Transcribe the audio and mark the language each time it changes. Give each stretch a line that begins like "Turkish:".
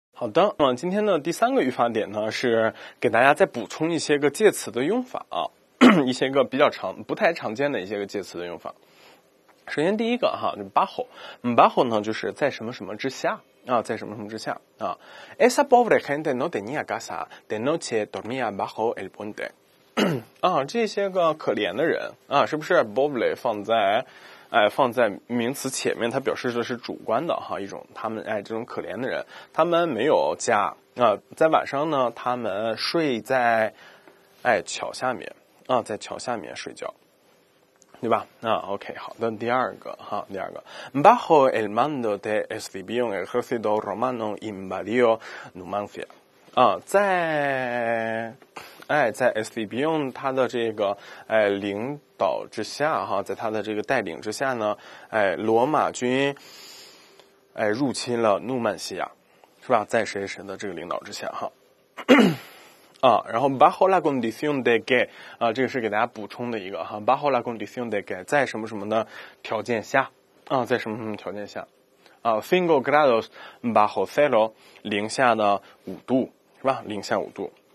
Chinese: 好的，那么今天的第三个语法点呢，是给大家再补充一些个介词的用法啊，一些个比较常、不太常见的一些个介词的用法。首先第一个哈，就 bajo 呢，就是在什么什么之下啊，在什么什么之下啊。
Spanish: Esa pobre gente no tenía casa, de noche dormía bajo el puente
Chinese: 啊，这些个可怜的人啊，是不是 pobre 放在？放在名词前面，它表示的是主观的哈，一种他们这种可怜的人，他们没有家啊、在晚上呢，他们睡在桥下面啊、在桥下面睡觉，对吧？啊 ，OK， 好的，第二个哈，第二个
Spanish: ，bajo el mando de Escipión un ejército romano invadió Numancia
Chinese: 啊，在。在 Escipión 他的这个领导之下哈，在他的这个带领之下呢，罗马军入侵了诺曼西亚，是吧？在谁谁的这个领导之下哈啊，然后
Spanish: bajo la condición de que
Chinese: 啊，这个是给大家补充的一个哈 ，bajo la condición de que 在什么什么的条件下啊，在什么什么条件下啊 ，
Spanish: cinco grados bajo cero
Chinese: 零下的五度是吧？零下五度。